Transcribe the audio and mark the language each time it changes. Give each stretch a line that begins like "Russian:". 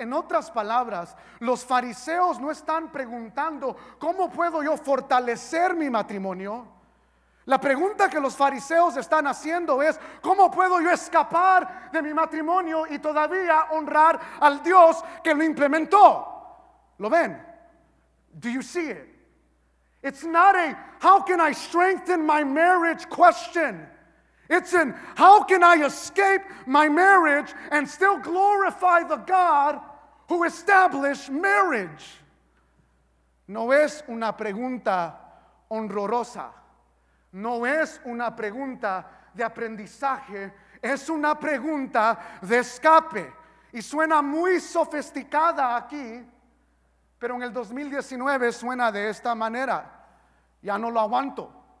Spanish: En otras palabras, los fariseos no están preguntando cómo puedo yo fortalecer mi matrimonio. La pregunta que los fariseos están haciendo es, ¿cómo puedo yo escapar de mi matrimonio y todavía honrar al Dios que lo implementó? ¿Lo ven?
English: Do you see it? It's not a how can I strengthen my marriage question. It's an how can I escape my marriage and still glorify the God who established marriage.
Spanish: No es una pregunta honrosa. No es una pregunta de aprendizaje, es una pregunta de escape. Y suena muy sofisticada aquí, pero en el 2019 suena de esta manera. Ya no lo aguanto.